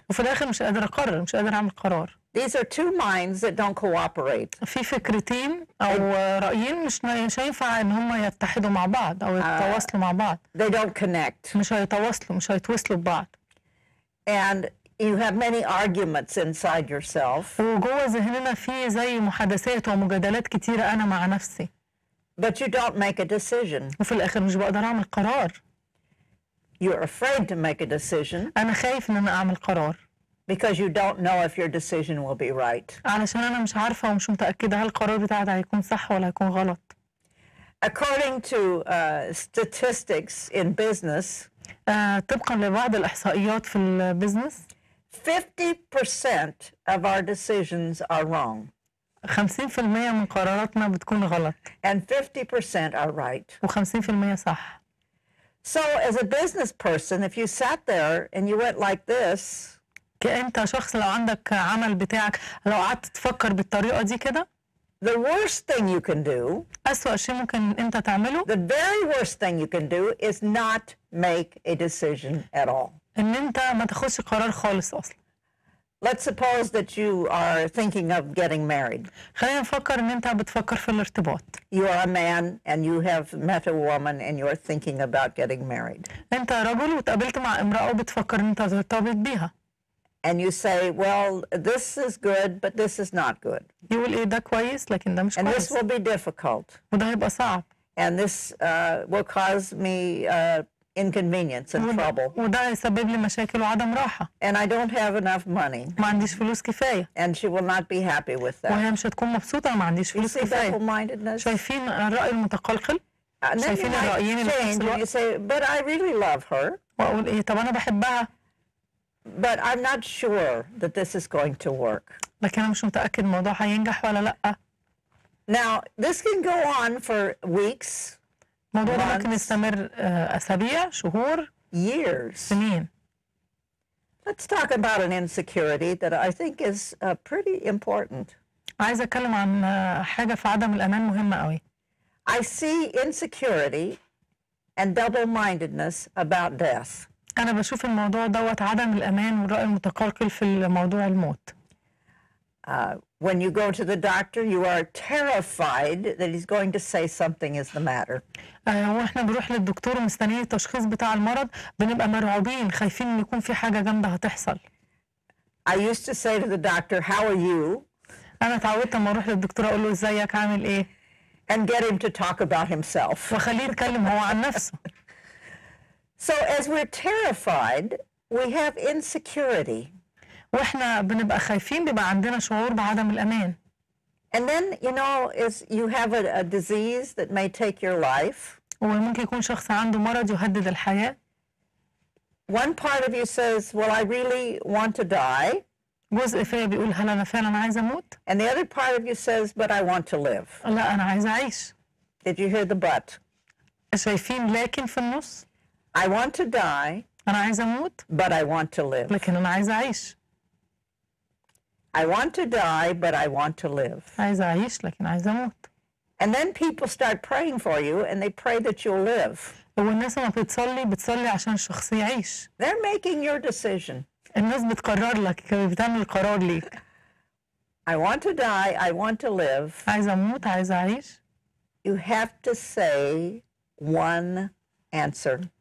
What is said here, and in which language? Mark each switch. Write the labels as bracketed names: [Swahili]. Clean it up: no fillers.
[Arabic] وفي الآخر مش قادر أقرر، مش قادر أعمل قرار. [English] These are two minds that don't cooperate. [Arabic] في فكرتين أو رأيين مش هينفع إن هما يتحدوا مع بعض أو يتواصلوا مع بعض. [English] They don't connect. [Arabic] مش هيتواصلوا، مش هيتواصلوا ببعض. [English] And you have many arguments inside yourself. [Arabic] وجوه ذهننا فيه زي محادثات ومجادلات كتيرة أنا مع نفسي. [English] But you don't make a decision. [Arabic] وفي الآخر مش بقدر أعمل قرار. [English] You're afraid to make a decision. [Arabic] أنا خايف إن أنا أعمل قرار. [English] Because you don't know if your decision will be right. [Arabic] علشان أنا مش عارفة ومش متأكدة هل القرار بتاعي هيكون صح ولا هيكون غلط. [English] According to statistics in business. [Arabic] طبقا لبعض الإحصائيات في البيزنس. [English] 50% of our decisions are wrong. [Arabic] 50% من قراراتنا بتكون غلط. [English] And 50% are right. [Arabic] و50% صح. [English] So as a business person, if you sat there and you went like this. [Arabic] كأنت شخص لو عندك عمل بتاعك، لو قعدت تفكر بالطريقة دي كده. [English] The worst thing you can do. [Arabic] أسوأ شيء ممكن أنت تعمله. [English] The very worst thing you can do is not make a decision at all. [Arabic] ان انت ما تاخدش قرار خالص اصلا. [English] Let's suppose that you are thinking of getting married. [Arabic] خلينا نفكر ان انت بتفكر في الارتباط. [English] You are a man and you have met a woman and you're thinking about getting married. [Arabic] انت رجل وتقابلت مع امرأة وبتفكر ان انت ترتبط بيها. [English] And you say, well, this is good, but this is not good. [Arabic] يقول ايه ده كويس لكن ده مش كويس. [English] And this will be difficult. [Arabic] وده هيبقى صعب. [English] And this will cause me inconvenience and trouble. [Arabic] وده هيسبب لي مشاكل وعدم راحة. [English] And I don't have enough money. [Arabic] ما عنديش فلوس كفاية. [English] And she will not be happy with that. [Arabic] وهي مش هتكون مبسوطة ما عنديش فلوس كفاية. شايفين الرأي المتقلقل؟ شايفين الرأيين اللي في نفس الوقت؟ [English] You say, but I really love her. [Arabic] وأقول إيه طب أنا بحبها. [English] But I'm not sure that this is going to work. [Arabic] لكن أنا مش متأكد الموضوع هينجح ولا لأ. [English] Now, this can go on for weeks. [Arabic] الموضوع ده ممكن يستمر أسابيع، شهور، [English] years. [Arabic] سنين. [English] Let's talk about an insecurity that I think is pretty important. [Arabic] عايز أتكلم عن حاجة في عدم الأمان مهمة قوي. [English] I see insecurity and double-mindedness about death. [Arabic] أنا بشوف الموضوع دوت عدم الأمان والرأي المتقلقل في الموضوع الموت. [English] When you go to the doctor, you are terrified that he's going to say something is the matter. [Arabic] واحنا بنروح للدكتور ومستنيين التشخيص بتاع المرض بنبقى مرعوبين خايفين ان يكون في حاجه جامده هتحصل. [English] I used to say to the doctor, how are you? [Arabic] انا تعودت لما اروح للدكتور اقول له ازيك عامل ايه؟ [English] And get him to talk about himself. [Arabic] واخليه يتكلم هو عن نفسه. [English] So as we're terrified, we have insecurity. [Arabic] واحنا بنبقى خايفين بيبقى عندنا شعور بعدم الامان. [English] And then you know is you have a disease that may take your life. [Arabic] وممكن يكون شخص عنده مرض يهدد الحياه. [English] One part of you says, well, I really want to die. [Arabic] جزء فيا بيقول هل انا فعلا عايز اموت؟ [English] And the other part of you says, but I want to live. [Arabic] لا انا عايز اعيش. [English] Did you hear the but? [Arabic] شايفين لكن في النص؟ [English] I want to die. [Arabic] انا عايز اموت. [English] But I want to live. [Arabic] لكن انا عايز اعيش. [English] I want to die, but I want to live. [Arabic] عايز أعيش لكن عايز أموت. [English] And then people start praying for you, and they pray that you'll live. [Arabic] والناس ما بتصلي بتصلي عشان الشخص يعيش. [English] They're making your decision. [Arabic] الناس بتقرر لك بتعمل قرار ليك. [English] I want to die, I want to live. [Arabic] عايز أموت عايز أعيش. [English] You have to say one answer.